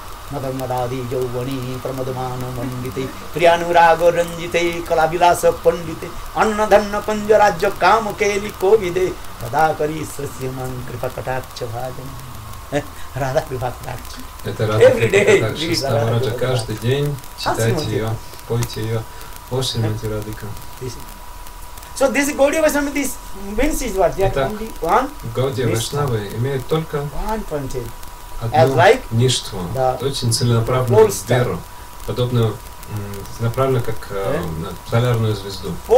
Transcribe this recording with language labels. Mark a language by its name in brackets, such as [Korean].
[Sanskrit] Мадамадади йовани прамадамана мандите прияанурага ранжите калабиласа пандите аннаданна панджараджа кама кели ковиде кадакари сасьяман кипа кадакчаваган. Радха Крипа Катакша. [Russian] Это Радха Крипа Катакша. Ставараджа каждый день читайте ее, пойте ее. О Шримати Радхика. [English] So this Gaudiya Vaishnava, this means is what? [Russian] Итак, Gaudiya Vaishnava имеет только одну ништву, очень целенаправленную веру, подобную направлено как на полярную звезду.